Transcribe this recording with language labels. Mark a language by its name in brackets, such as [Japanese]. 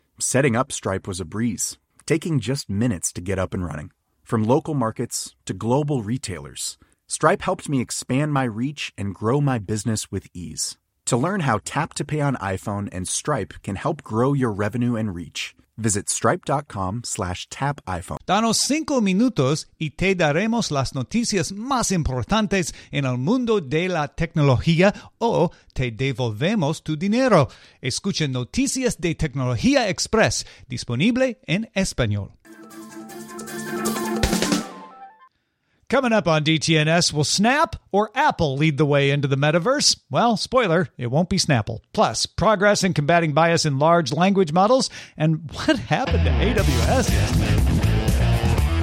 [English] Setting up Stripe was a breeze, taking just minutes to get up and running. From local markets to global retailers, Stripe helped me expand my reach and grow my business with ease. To learn how Tap to Pay on iPhone and Stripe can help grow your revenue and reach, visit stripe.com/tapiphone. [Spanish] Danos 5 minutos y te daremos las noticias más importantes en el mundo de la tecnología o te devolvemos tu dinero. Escucha Noticias de Tecnología Express, disponible en español. [English] Coming up on DTNS, will Snap or Apple lead the way into the metaverse? Well, spoiler, it won't be Snapple. Plus, progress in combating bias in large language models, and what happened to AWS yesterday?